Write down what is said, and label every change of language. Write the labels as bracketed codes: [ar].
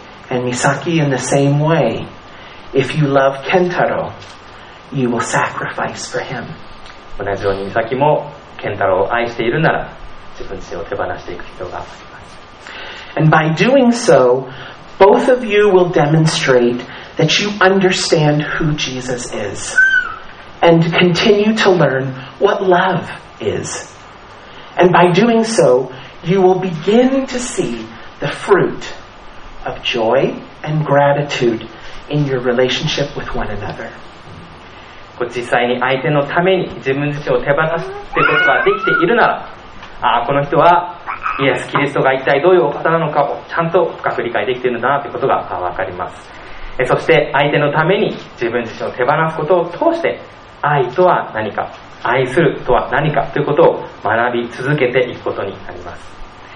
[en] And Misaki, in the same way, if you love Kentaro, you will sacrifice for him. [ja] 同じように岬も健太郎を愛しているなら自分自身を手放していく必要があります。 [en] And by doing so, both of you will demonstrate that you understand who Jesus is and continue to learn what love is. And by doing so, you will begin to see the fruit of joy and gratitude in your relationship with one another. [ja] 実際に相手のために自分自身を手放すということができているなら、この人はイエス・キリストが一体どういうお方なのかをちゃんと深く理解できているんだなということが分かります。そして相手のために自分自身を手放すことを通して、愛とは何か、愛するとは何かということを学び続けていくことになります。